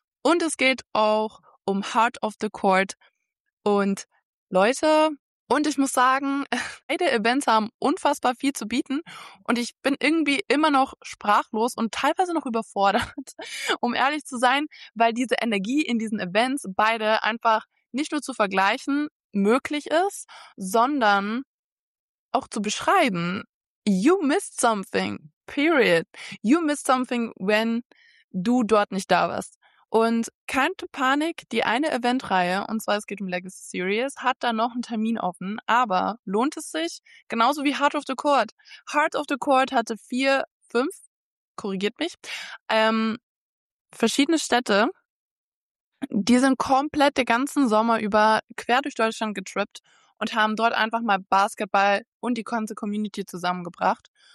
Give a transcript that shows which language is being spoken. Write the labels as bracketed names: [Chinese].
[German] Und es geht auch um Heart of the Court. Und Leute, und ich muss sagen, beide Events haben unfassbar viel zu bieten. Und ich bin irgendwie immer noch sprachlos und teilweise noch überfordert, um ehrlich zu sein, weil diese Energie in diesen Events beide einfach nicht nur zu vergleichen möglich ist, sondern auch zu beschreiben. [English] You missed something, period. You missed something, when [German] du dort nicht da warst. Und keine Panik, die eine Eventreihe, und zwar es geht um Legacy Series, hat da noch einen Termin offen, aber lohnt es sich? Genauso wie Heart of the Court. Heart of the Court hatte 4, 5, korrigiert mich, verschiedene Städte, die sind komplett den ganzen Sommer über quer durch Deutschland getrippt und haben dort einfach mal Basketball und die ganze Community zusammengebracht.